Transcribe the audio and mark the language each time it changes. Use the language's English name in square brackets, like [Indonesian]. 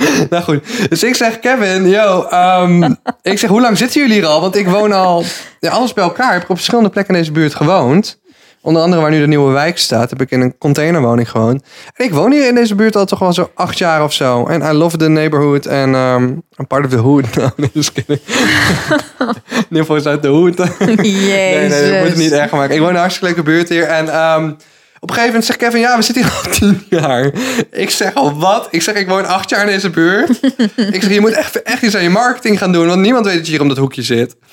[Dutch] Nou goed, dus ik zeg Kevin, yo, ik zeg hoe lang zitten jullie hier al? Want ik woon al, ja, alles bij elkaar, heb ik op verschillende plekken in deze buurt gewoond. Onder andere waar nu de nieuwe wijk staat, heb ik in een containerwoning gewoond. En ik woon hier in deze buurt al toch wel zo'n 8 jaar of zo. [English] En I love the neighborhood and I'm part of the hood. No, just kidding. [Dutch] In ieder geval is uit de hood. Jezus. Nee, ik moet het niet erg maken. Ik woon in een hartstikke leuke buurt hier en... Op een gegeven moment zegt Kevin, ja, we zitten hier al 10 jaar. Ik zeg, al wat? Ik zeg, ik woon 8 jaar in deze buurt. Ik zeg, je moet echt iets aan je marketing gaan doen. Want niemand weet dat je hier om dat hoekje zit.